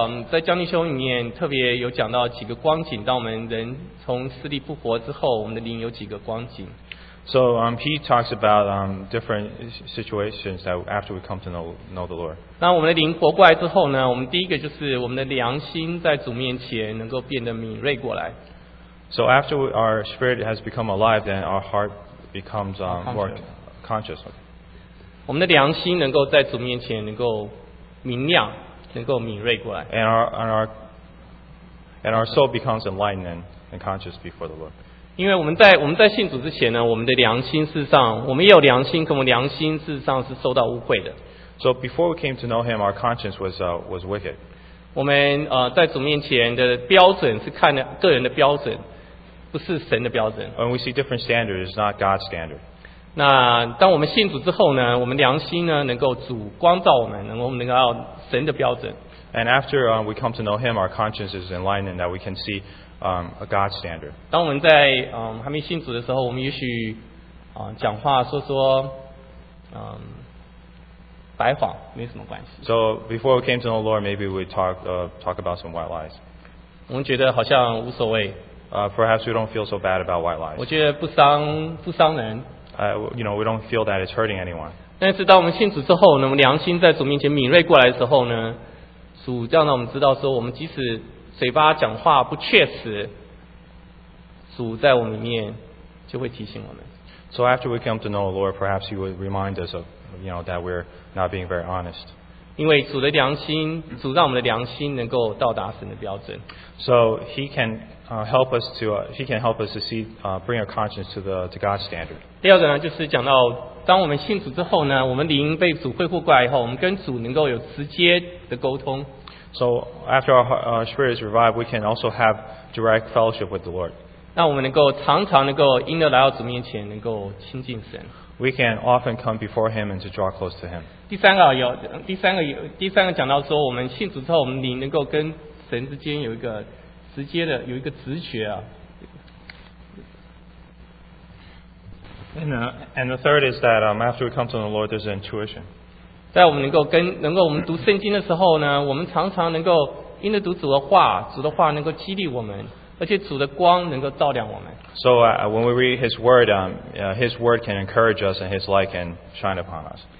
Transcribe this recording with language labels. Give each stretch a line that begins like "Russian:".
Chinese: 在江弟兄里面特别有讲到几个光景，当我们人从死里复活之后，我们的灵有几个光景。
English: So he talks about different situations that after we come to know the Lord.
Chinese: 那我们的灵活过来之后呢，我们第一个就是我们的良心在主面前能够变得敏锐过来。
English: So after our spirit has become alive, then our heart becomes more conscious.
Chinese: 我们的良心能够在主面前能够明亮，能够敏锐过来。
English: And our soul becomes enlightened and conscious before the Lord.
Chinese: 因为我们在信主之前呢，我们的良心事实上，我们也有良心，可我们良心事实上是受到污秽的。
English: So before we came to know Him, our conscience was wicked.
Chinese: 我们在主面前的标准是看的个人的标准。不是神的标准。
English: And we see different standards, it's not God's standard.
Chinese: 那当我们信主之后呢，我们良心呢能够主光照我们，能够神的标准。
English: And after we come to know Him, our conscience is enlightened that we can see a God's standard.
Chinese: 当我们在还没信主的时候，我们也许讲话说白谎没什么关系。
English: So before we came to know the Lord, maybe we talk about some white lies.
Chinese: 我们觉得好像无所谓。
English: Perhaps we don't feel so bad about white lies.
Chinese: 我觉得不伤人。
English: You know, we don't feel that it's hurting anyone.
Chinese: 但是当我们信主之后呢，我们良心在主面前敏锐过来的时候呢，主让我们知道说，我们即使嘴巴讲话不确实，主在我们里面就会提醒我们。
English: So after we come to know the Lord, perhaps He would remind us of, you know, that we're not being very honest.
Chinese: 因为主的良心，主让我们的良心能够到达神的标准。
English: So He can help us to, He can help us to see, bring our conscience to God's standard.
Chinese: 第二个呢，就是讲到当我们信主之后呢，我们灵被主恢复过来以后，我们跟主能够有直接的沟通。
English: So after our spirit is revived, we can also have direct fellowship with the Lord.
Chinese: 那我们能够常常能够因着来到主面前能够亲近神。
English: We can often come before Him and to draw close to Him.
Chinese: 第三个讲到说，我们信主之后，我们灵能够跟神之间有一个直接的有一个直觉啊。
English: And the third is that after we come to the Lord, there's an intuition.
Chinese: 在我们能够我们读圣经的时候呢，我们常常能够因着读主的话，主的话能够激励我们。而且主的光能够照亮我们。
English: So when we read His word, His word can encourage us, and His light can shine upon us.